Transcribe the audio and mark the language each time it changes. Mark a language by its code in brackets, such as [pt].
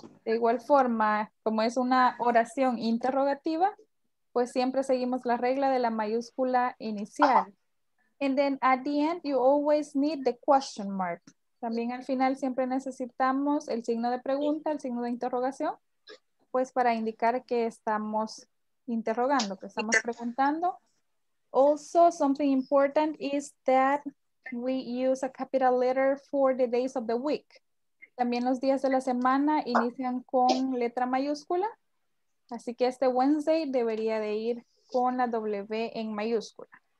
[es] De igual forma, como es una oración interrogativa, pues siempre seguimos la regla de la mayúscula inicial. [en] And then at the end, you always need the question mark. [es] También al final siempre necesitamos el signo de pregunta, el signo de interrogación, pues para indicar que estamos interrogando, que estamos preguntando. [en] Also, something important is that we use a capital letter for the days of the week. [es] También los días de la semana inician con letra mayúscula. Así que este Wednesday debería de ir con la W en mayúscula.